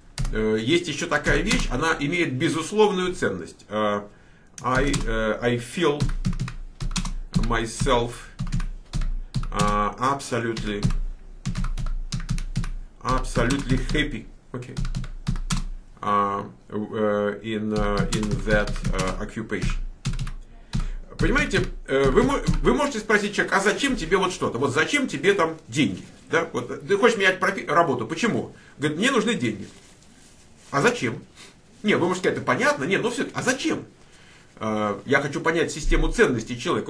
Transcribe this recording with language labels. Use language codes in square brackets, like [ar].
[ru] Есть еще такая вещь, она имеет безусловную ценность. [en] I feel myself absolutely happy, okay, in that occupation. [ru] Понимаете, вы можете спросить человека, а зачем тебе вот что-то, вот зачем тебе там деньги, да, вот ты хочешь менять работу, почему? Говорит, мне нужны деньги. А зачем? Не, вы можете сказать, это понятно, не, но все, а зачем? Я хочу понять систему ценностей человека.